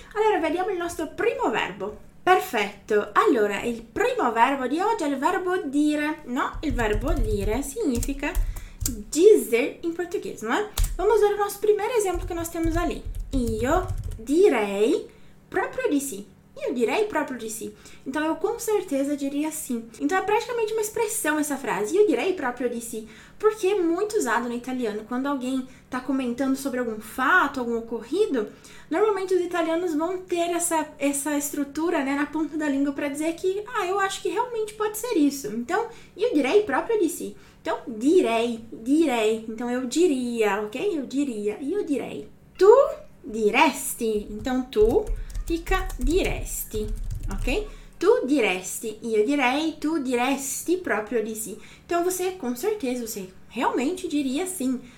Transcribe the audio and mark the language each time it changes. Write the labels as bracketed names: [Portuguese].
[Italian] Allora vediamo il nostro primo verbo. Perfetto, allora il primo verbo di oggi è il verbo dire, no? Il verbo dire significa dizer in portoghese, no? [Portuguese] Vamos [Italian] usare il nostro primo esempio che non stiamo usando lì. Io direi proprio di sì. Io direi proprio di sì. [Portuguese] Então, eu com certeza diria sim. Então, é praticamente uma expressão essa frase. Eu [Italian] direi proprio di sì. [Portuguese] Porque é muito usado no italiano. Quando alguém está comentando sobre algum fato, algum ocorrido, normalmente os italianos vão ter essa estrutura, né, na ponta da língua para dizer que, ah, eu acho que realmente pode ser isso. Então, eu [Italian] direi proprio di sì. [Portuguese] Então, direi, direi. Então, eu diria, ok? Eu diria, eu direi. Tu diresti. Então, tu... Fica diresti, ok? [Italian] Tu diresti, io direi, tu diresti proprio di sì. [Portuguese] Então você, com certeza, você realmente diria sim.